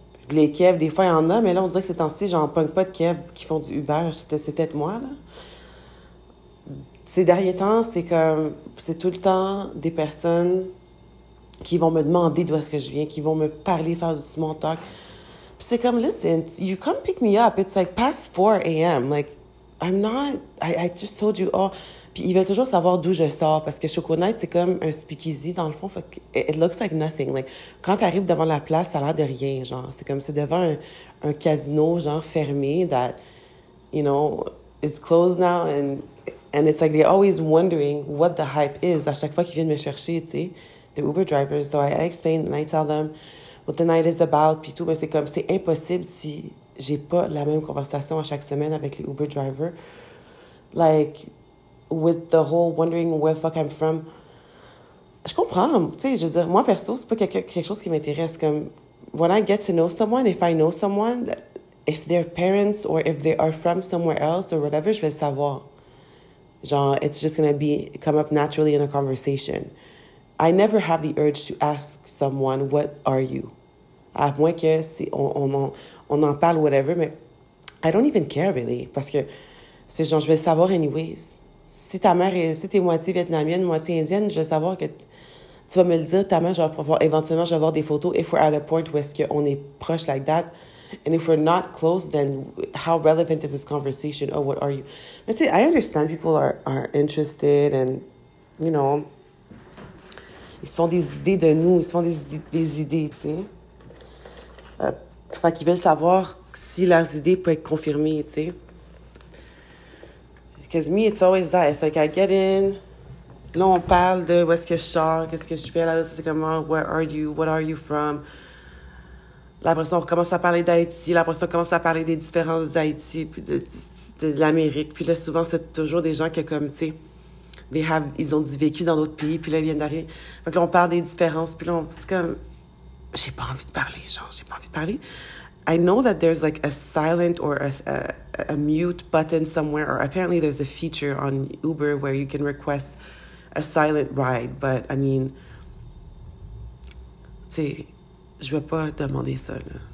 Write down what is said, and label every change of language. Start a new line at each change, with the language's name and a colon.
French: Les Kev, des fois, il y en a, mais là, on dirait que ces temps-ci, genre, punk pas de Kev qui font du Uber. C'est peut-être moi, là. Ces derniers temps, c'est comme, c'est tout le temps des personnes qui vont me demander d'où est-ce que je viens, qui vont me parler, faire du small talk.
English: Puis c'est comme, listen, you come pick me up, it's like past 4 a.m. Like, I'm not, I just told you all.
French: Puis ils veulent toujours savoir d'où je sors, parce que Choconite, c'est comme un speakeasy, dans le fond, fait que it looks like nothing. Like, quand t'arrives devant la place, ça a l'air de rien, genre.
English: C'est comme, c'est devant un casino, genre, fermé, that, you know, is closed now, And it's like they're always wondering what the hype is. À chaque fois qu'ils viennent me chercher, tu sais, the Uber drivers. So I explain and I tell them what the night is about.
French: Puis tout, mais c'est comme, c'est impossible si j'ai pas la même conversation à chaque semaine avec les Uber drivers.
English: Like, with the whole wondering where the fuck I'm from.
French: Je comprends. Tu sais, je veux dire, moi perso, c'est pas quelque chose qui m'intéresse.
English: Comme, when I get to know someone, if I know someone, if they're parents or if they are from somewhere else or whatever, je vais le savoir. Genre, it's just gonna be come up naturally in a conversation. I never have the urge to ask someone, what are you?
French: À moins que si on en parle, whatever, mais I don't even care really. Parce que c'est genre, je vais savoir anyways. Si ta mère est, si t'es moitié vietnamienne, moitié indienne, je vais savoir que tu vas me le dire, ta mère, je vais pouvoir, éventuellement, je vais avoir des photos. If we're at a point où est-ce qu'on est proche like that,
English: And if we're not close, then how relevant is this conversation? Oh, what are you? I'd say, I understand people are interested and, you know, ils se font des idées de nous, ils se font des idées, tu sais.
French: Fait qu'ils veulent savoir si leurs idées peuvent être confirmées, tu sais. Because me, it's always that. It's like, I get in. Là, on parle de où est-ce que je sors, qu'est-ce que je fais là.
English: C'est comme, oh, where are you, what are you from?
French: La personne, on recommence à parler d'Haïti. La personne commence à parler des différences d'Haïti, puis de l'Amérique. Puis là, souvent, c'est toujours des gens qui, comme, tu sais, they have, ils ont du vécu dans d'autres pays, puis là, ils viennent d'arriver. Fait que là, on parle des différences, puis là, on, c'est comme, j'ai pas envie de parler, genre, j'ai pas envie de parler.
English: I know that there's like a silent or a mute button somewhere, or apparently there's a feature on Uber where you can request a silent ride, but I mean, tu sais, je vais pas demander ça, là.